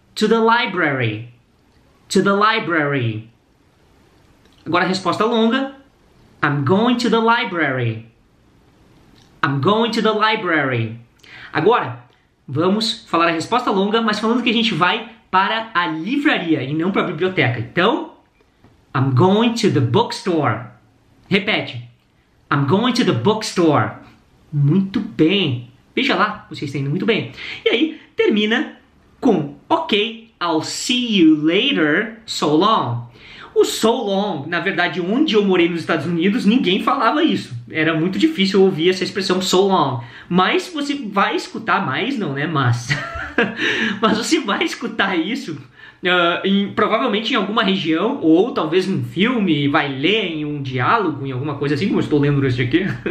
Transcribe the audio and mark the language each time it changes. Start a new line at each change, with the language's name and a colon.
English: To the library. To the library.
Portuguese: Agora a resposta longa.
English: I'm going to the library. I'm going to the library.
Portuguese: Agora, vamos falar a resposta longa, mas falando que a gente vai para a livraria e não para a biblioteca. Então,
English: I'm going to the bookstore.
Portuguese: Repete.
English: I'm going to the bookstore.
Portuguese: Muito bem. Veja lá, vocês estão indo muito bem. E aí, termina com
English: ok, I'll see you later, so long.
Portuguese: O
English: so long,
Portuguese: na verdade, onde eu morei nos Estados Unidos, ninguém falava isso. Era muito difícil ouvir essa expressão
English: so long.
Portuguese: Mas você vai escutar mais, não, né? Mas. Mas você vai escutar isso provavelmente em alguma região, ou talvez num filme, vai ler em um diálogo, em alguma coisa assim, como eu estou lendo este aqui.